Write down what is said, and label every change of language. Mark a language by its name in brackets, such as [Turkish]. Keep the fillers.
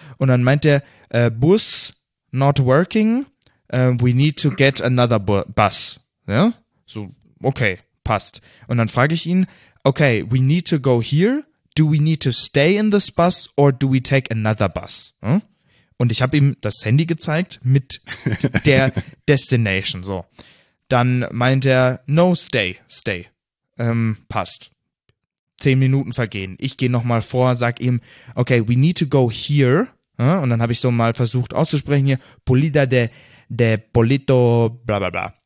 [German] Und dann meint der äh, [English] Bus not working. Äh, we need to get another bu bus. [German] Ja, so okay, passt. Und dann frage ich ihn, [English] okay, we need to go here. Do we need to stay in this bus or do we take another bus? Hm? [German] Und ich habe ihm das Handy gezeigt mit der Destination. So. Dann meint er, [English] no stay, stay. [German] Ähm, passt. Zehn Minuten vergehen. Ich gehe nochmal vor, sag ihm, [English] okay, we need to go here. [German] Ja, und dann habe ich so mal versucht auszusprechen hier, Polida de, de Polito, bla bla bla.